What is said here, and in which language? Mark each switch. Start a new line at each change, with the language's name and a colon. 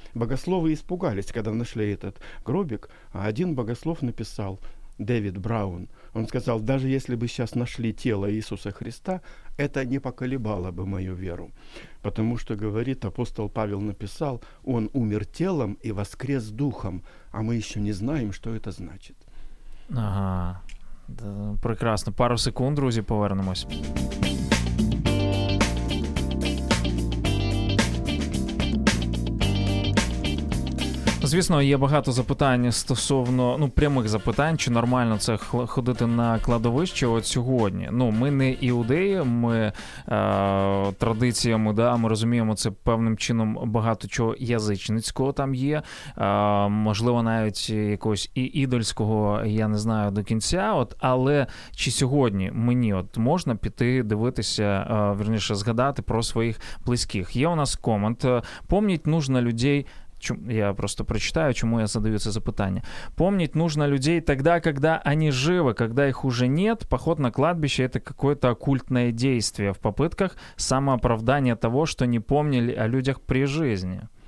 Russian: Богословы испугались, когда нашли этот гробик, а один богослов написал, Дэвид Браун, он сказал, даже если бы сейчас нашли тело Иисуса Христа, это не поколебало бы мою веру. Потому что, говорит, апостол Павел написал, он умер телом и воскрес духом, а мы еще не знаем, что это значит. Ага, да, прекрасно.
Ukrainian: Пару секунд, друзі, повернемось. Звісно, є багато запитань стосовно, ну, прямих запитань, чи нормально це ходити на кладовище от сьогодні. Ну, ми не іудеї, ми традиціями, да, ми розуміємо, це певним чином багато чого язичницького там є, можливо, навіть якогось і ідольського, я не знаю, до кінця. От, але чи сьогодні мені от можна піти дивитися, вірніше, згадати про своїх близьких? Є у нас комент:
Russian: «Помніть нужно людей».
Ukrainian: Я просто прочитаю,
Russian: чему я задаю это запитание. Помнить нужно людей тогда, когда они живы, когда их уже нет. Поход на кладбище — это какое-то оккультное действие в попытках самооправдания того, что не помнили о людях при жизни.